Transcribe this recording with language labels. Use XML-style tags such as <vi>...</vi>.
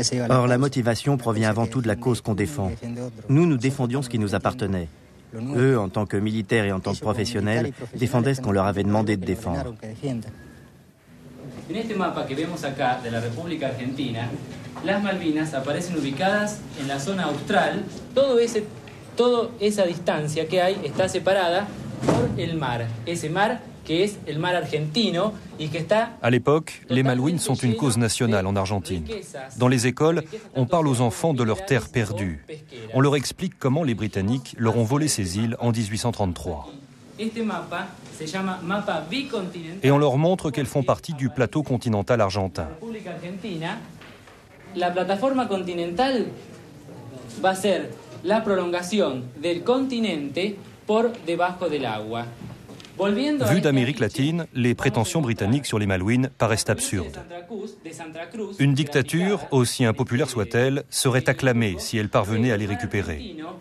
<fr>Or, la motivation provient avant tout de la cause qu'on défend. Nous, nous défendions ce qui nous appartenait. Eux, en tant que militaires et en tant que professionnels, défendaient ce qu'on leur avait demandé de défendre.</fr> <es>En este mapa que vemos acá de la República Argentina, las Malvinas aparecen ubicadas en la zona austral. Toda esa distancia que hay está separada por el mar. Ese mar que es el mar argentino y que está.</es> <fr>À l'époque, les Malouines sont une cause nationale en Argentine. Dans les écoles, on parle aux enfants de leurs terres perdues. On leur explique comment les Britanniques leur ont volé ces îles en 1833. Et on leur montre qu'elles font partie du plateau continental argentin.</fr> <es>La plataforma continental va a ser la prolongación del continente por debajo del agua.</es> <fr>Vu d'Amérique latine, les prétentions britanniques sur les Malouines paraissent absurdes. Une dictature, aussi impopulaire soit-elle, serait acclamée si elle parvenait à les récupérer.</fr>